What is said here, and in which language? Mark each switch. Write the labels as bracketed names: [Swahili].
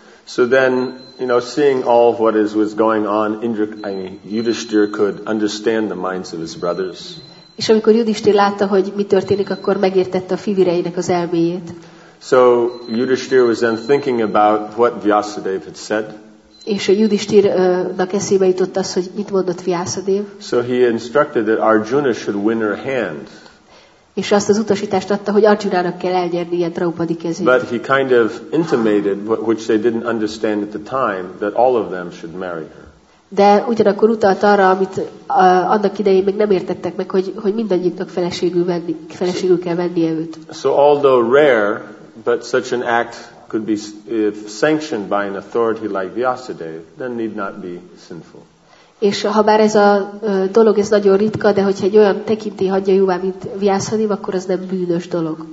[English] So then, you know, seeing all of what was going on, Yudhishthira could understand the minds of his brothers. [Hungarian] És amikor Yudhishthira látta, hogy mi történik, akkor megértette a fivéreinek az elméjét. [English] So Yudhishthira was then thinking about what Vyasadev had said. [Hungarian] És a Yudhishthirnak eszébe jutott az, hogy mit mondott Vyasadev. [English] So he instructed that Arjuna should win her hand. [Hungarian] És azt az utasítást adta, hogy Arjunának kell elnyernie Draupadi kezét. [English] But he kind of intimated, which they didn't understand at the time, that all of them should marry her. [Hungarian] De ugyanakkor utalt arra, amit annak idején még nem értettek meg, hogy mindannyiuknak feleségül kell vennie őt. [English] So although rare, but such an act could be if sanctioned by an authority like Vyasadeva, then need not be sinful. [Hungarian] És ha bár ez a dolog ez nagyon ritka, de hogyha egy olyan tekintély hagyja jóvá, mint Vyasadeva, akkor ez nem bűnös dolog.